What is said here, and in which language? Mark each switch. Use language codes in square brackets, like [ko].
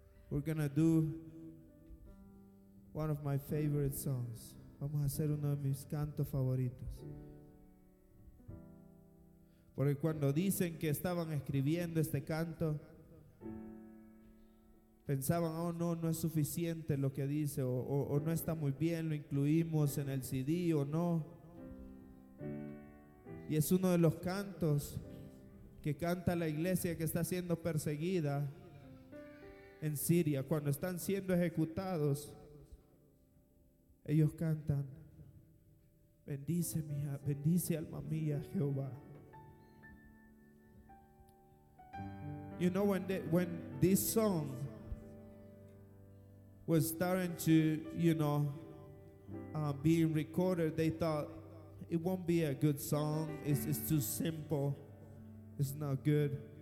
[en] We're gonna do one of my favorite songs. [es] Vamos a hacer uno de mis cantos favoritos. Porque cuando dicen que estaban escribiendo este canto, pensaban, oh no, no es suficiente lo que dice, o no está muy bien, lo incluimos en el CD o no. Y es uno de los cantos que canta la iglesia que está siendo perseguida en Siria. Cuando están siendo ejecutados, ellos cantan, bendice mía, bendice alma mía, Jehová. [en] You know, when this song was starting to, you know, being recorded, they thought it won't be a good song. It's too simple. It's not good.